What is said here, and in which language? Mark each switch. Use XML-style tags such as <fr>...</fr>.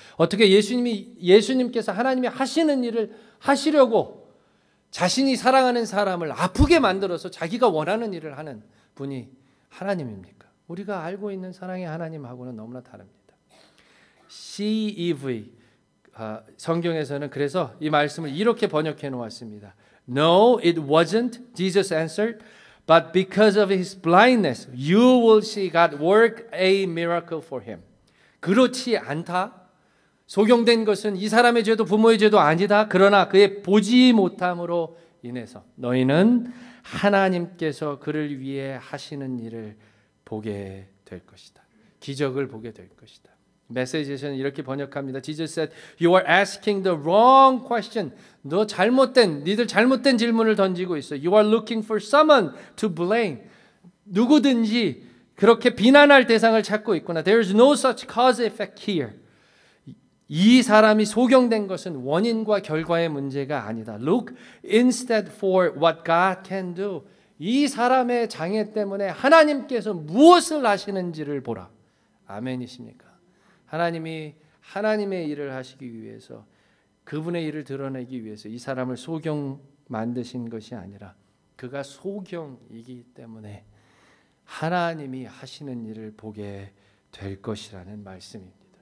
<ko>어떻게 예수님께서 하나님이 하시는 일을 하시려고 자신이 사랑하는 사람을 아프게 만들어서 자기가 원하는 일을 하는 분이 하나님입니까? 우리가 알고 있는 사랑의 하나님하고는 너무나 다릅니다. CEV 성경에서는 그래서 이 말씀을 이렇게 번역해 놓았습니다.</ko> <en>No, it wasn't, Jesus answered, but because of his blindness, you will see God work a miracle for him.</en> <ko>그렇지 않다. 소경된 것은 이 사람의 죄도 부모의 죄도 아니다. 그러나 그의 보지 못함으로 인해서 너희는 하나님께서 그를 위해 하시는 일을 보게 될 것이다. 기적을 보게 될 것이다. 메시지에서는 이렇게 번역합니다.</ko> <en>Jesus said, You are asking the wrong question.</en> <ko>너 잘못된, 니들 잘못된 질문을 던지고 있어.</ko> <en>You are looking for someone to blame.</en> <ko>누구든지 그렇게 비난할 대상을 찾고 있구나.</ko> <en>There is no such cause effect here.</en> <ko>이 사람이 소경된 것은 원인과 결과의 문제가 아니다.</ko> <en>Look instead for what God can do.</en> <ko>이 사람의 장애 때문에 하나님께서 무엇을 하시는지를 보라. 아멘이십니까? 하나님이 하나님의 일을 하시기 위해서 그분의 일을 드러내기 위해서 이 사람을 소경 만드신 것이 아니라 그가 소경이기 때문에 하나님이 하시는 일을 보게 될 것이라는 말씀입니다.</ko>